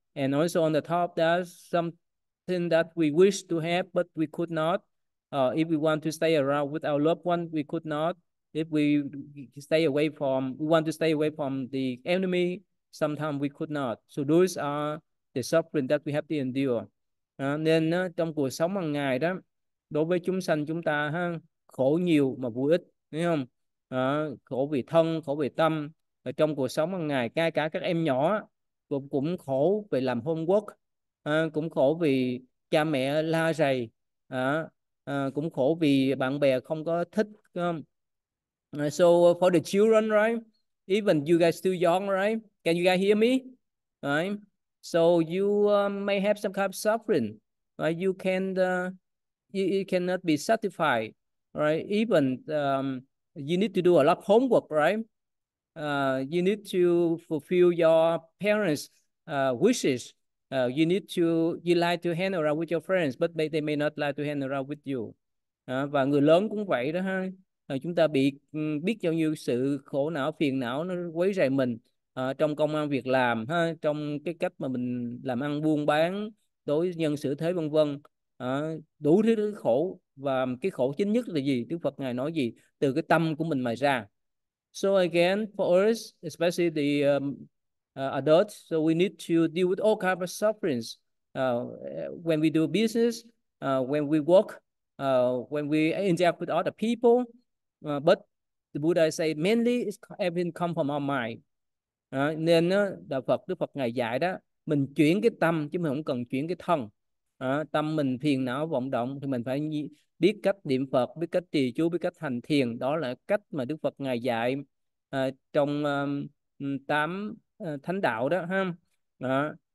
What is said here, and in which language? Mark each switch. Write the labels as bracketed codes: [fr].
[en] And also on the top, there's some thing that we wish to have, but we could not. If we want to stay around with our loved one, we could not. If we want to stay away from the enemy, sometimes we could not. So those are the suffering that we have to endure. [vi] Nên trong cuộc sống hàng ngày đó, đối với chúng sanh chúng ta ha, khổ nhiều mà vui ít, thấy không? Khổ vì thân, khổ vì tâm. Ở trong cuộc sống hàng ngày, ngay cả các em nhỏ cũng khổ vì làm homework, cũng khổ vì cha mẹ la rầy, cũng khổ vì bạn bè không có thích, [en] So for the children, right? Even you guys still young, right? Can you guys hear me? Right? So you may have some kind of suffering. Right? You can you cannot be satisfied, right? Even you need to do a lot of homework, right? You need to fulfill your parents' wishes. You need to you like to hang around with your friends, but they may not like to hang around with you. [vi] Và người lớn cũng vậy đó ha. Chúng ta bị biết bao nhiêu sự khổ não phiền não nó quấy rầy mình trong công ăn việc làm ha, trong cái cách mà mình làm ăn buôn bán đối nhân xử thế vân vân, đủ thứ khổ. Và cái khổ chính nhất là gì? Đức Phật ngài nói gì? Từ cái tâm của mình mà ra. [en] So again, for us, especially the adults, so we need to deal with all kinds of sufferings when we do business, when we work, when we interact with other people. But the Buddha say mainly it's everything come from our mind. [vi] Nên đạo Phật, Đức Phật ngài dạy đó, mình chuyển cái tâm chứ mình không cần chuyển cái thân. Tâm mình phiền não vọng động thì mình phải biết cách niệm Phật, biết cách trì chú, biết cách hành thiền. Đó là cách mà Đức Phật ngài dạy trong tám thánh đạo đó ha.